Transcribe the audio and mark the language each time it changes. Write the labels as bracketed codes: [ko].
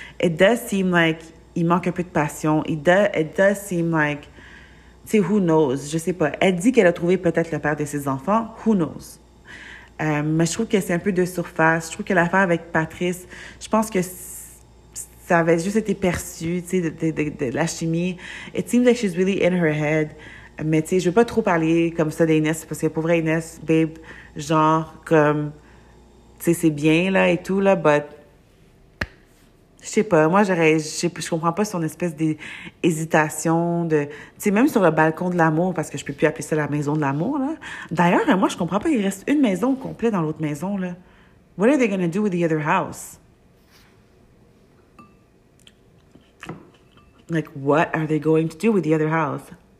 [en] It does seem like [fr] il manque un peu de passion. It does seem like... Tu sais, [en] who knows? [fr] Je sais pas. Elle dit qu'elle a trouvé peut-être le père de ses enfants. [en] Who knows? [fr] Mais je trouve que c'est un peu de surface. Je trouve que l'affaire avec Patrice, je pense que ça avait juste été perçu, tu sais, de la chimie. [en] It seems like she's really in her head. [fr] Mais tu sais, je veux pas trop parler comme ça d'Inès, parce que pauvre Inès, babe, genre, comme, tu sais, c'est bien, là, et tout, là, but, je sais pas, moi, je comprends pas son espèce d'hésitation de, tu sais, même sur le balcon de l'amour, parce que je peux plus appeler ça la maison de l'amour, là. D'ailleurs, moi, je comprends pas, il reste une maison complète dans l'autre maison, là. [en] What are they gonna do with the other house? Like, what are they going to do with the other house?